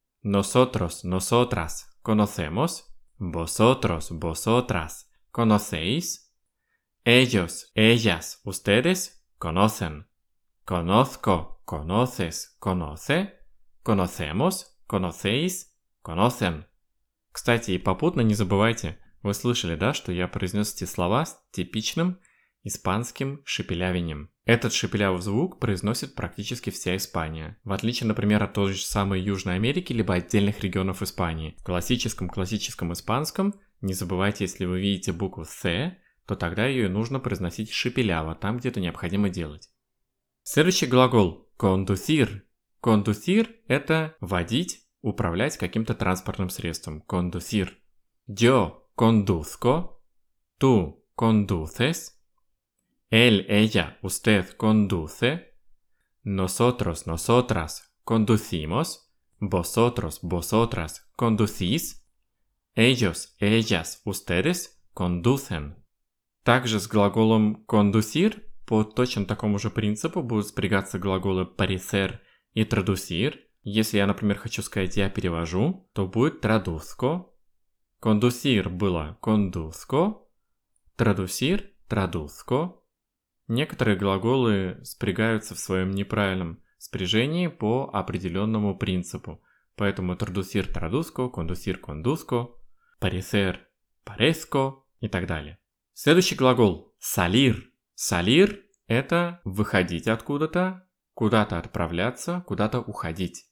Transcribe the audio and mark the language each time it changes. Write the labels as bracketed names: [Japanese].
[Spanish] Nosotros, nosotras conocemos. Vosotros, vosotras conocéis. Ellos, ellas, ustedes conocen. Conozco, conoces, conoce. Conocemos, conocéis, conocen. [Russian] Кстати, и попутно не забывайте, вы слышали, да, что я произнес эти слова с типичным испанским шепелявением. Этот шепелявый звук произносит практически вся Испания. В отличие, например, от той же самой Южной Америки, либо отдельных регионов Испании. В классическом-классическом испанском, не забывайте, если вы видите букву «С», то тогда ее нужно произносить шепеляво, там, где это необходимо делать. Следующий глагол «кондусир». «Кондусир» — это водить, управлять каким-то транспортным средством. [Spanish] «Кондусир». «Yo conduzco». «Tú conduces». «Él, ella, usted conduce». Nosotros, nosotras conducimos. Vosotros, vosotras conducís. Ellos, ellas, ustedes conducen. [Russian] Также с глаголом conducir по точно такому же принципу будут спрягаться глаголы parecer и traducir. Если я, например, хочу сказать «я перевожу», то будет «traduzco». «Conducir» было «conduzco». «Traducir» – «traduzco». Некоторые глаголы спрягаются в своем неправильном спряжении по определенному принципу. Поэтому «traducir» – «traduzco», «conducir» – «conduzco», «parecer» – «parezco» и так далее. Следующий глагол – «salir». «Salir» – это «выходить откуда-то», «куда-то отправляться», «куда-то уходить».